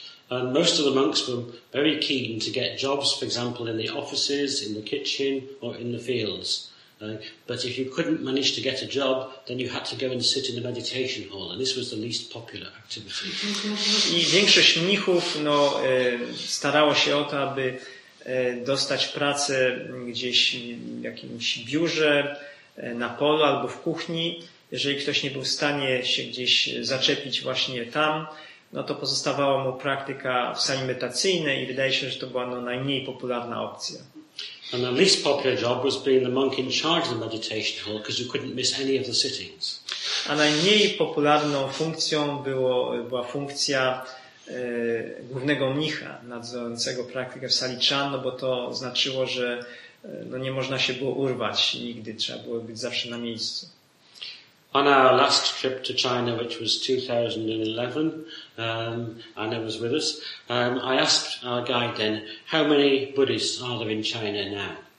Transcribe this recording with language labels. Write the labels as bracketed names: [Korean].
[English] And most of the monks were very keen to get jobs, for example, in the offices, in the kitchen, or in the fields. But if you couldn't manage to get a job, then you had to go and sit in the meditation hall, and this was the least popular activity. [Polish] I większość mnichów no, starało się o to, aby dostać pracę gdzieś w jakimś biurze, na polu albo w kuchni. Jeżeli ktoś nie był w stanie się gdzieś zaczepić właśnie tam, no to pozostawała mu praktyka w sali medytacyjnej i wydaje się, że to była no najmniej popularna opcja. [English] And the least popular job was being the monk in charge of the meditation hall because you couldn't miss any of the sittings. [Polish] A najmniej popularną funkcją była funkcja głównego mnicha nadzorującego praktykę w sali chan, no bo to znaczyło, że no nie można się było urwać nigdy, trzeba było być zawsze na miejscu. [English] On our last trip to China, which was 2011, Anna was with us. I asked our guide then, how many Buddhists are there in China now?